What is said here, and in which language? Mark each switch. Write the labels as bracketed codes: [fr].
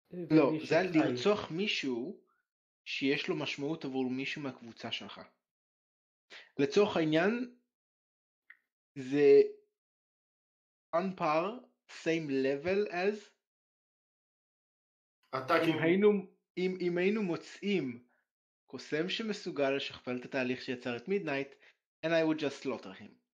[he] לא, זה לרצוח מישהו שיש לו משמעות עבור מישהו מהקבוצה שלך. לצורך העניין, זה [en] on par, same level as... [he] אטאקים. אם היינו מוצאים קוסם שמסוגל לשכפל את התהליך שיצר את מידנייט, [en] and I would just slaughter him.